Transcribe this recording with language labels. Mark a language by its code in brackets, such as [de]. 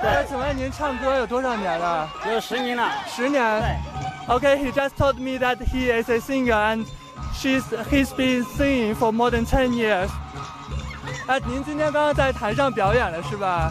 [zh] 那请问您唱歌有多少年了? 有10年了。 10年? 对。 [en] Okay, he just told me that he is a singer and he's been singing for more than 10 years. [zh] 您今天刚刚在台上表演了是吧?